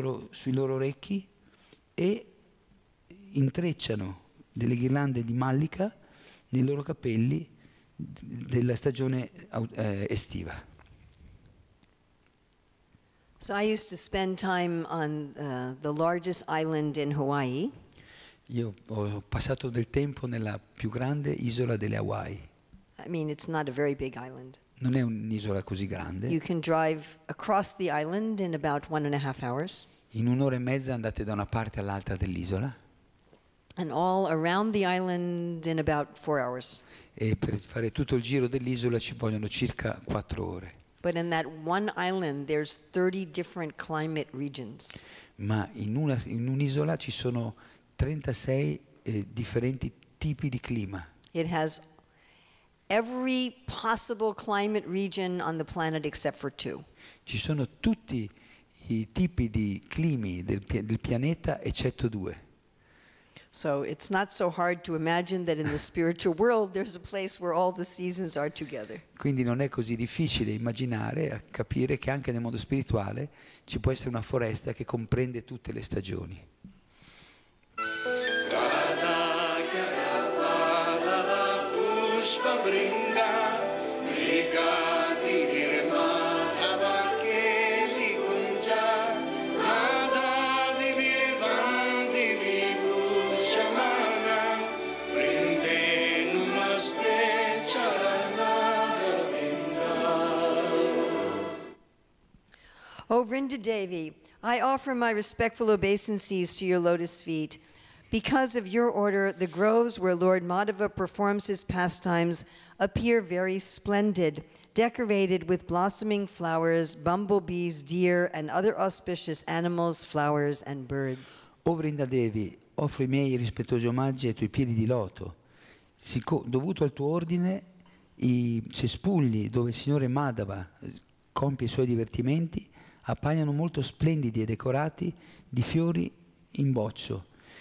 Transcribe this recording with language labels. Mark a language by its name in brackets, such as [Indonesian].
[Italian] sui loro orecchi e intrecciano delle ghirlande di mallika nei loro capelli della stagione estiva. [English] So I used to spend time on the largest island in Hawaii. [Italian] Io ho passato del tempo nella più grande isola delle Hawaii. [English] I mean, it's not a very big island. [Italian] Non è un'isola così grande. [English] You can drive across the island in about 1.5 hours. [Italian] In un'ora e mezza andate da una parte all'altra dell'isola. [English] And all around the island in about 4 hours. [Italian] E per fare tutto il giro dell'isola ci vogliono circa 4 ore. [English] But in that one island there's 30 different climate regions. [Italian] Ma in un'isola ci sono 36 differenti tipi di clima. [English] It has every possible climate region on the planet except for two. [Italian] Ci sono tutti i tipi di climi del pianeta eccetto due. [English] So it's not so hard to imagine that in the spiritual world there's a place where all the seasons are together. [Italian] Quindi non è così difficile immaginare, a capire che anche nel mondo spirituale ci può essere una foresta che comprende tutte le stagioni. [English] O Vrinda Devi, I offer my respectful obeisances to your lotus feet. Because of your order, the groves where Lord Madhava performs his pastimes appear very splendid, decorated with blossoming flowers, bumblebees, deer, and other auspicious animals, flowers, and birds. [Italian] O Vrinda Devi, offro i miei rispettosi omaggi ai tuoi piedi di loto. Dovuto al tuo ordine, i cespugli dove il signore Madhava compie i suoi divertimenti appaiono molto splendidi e decorati di fiori in boccio.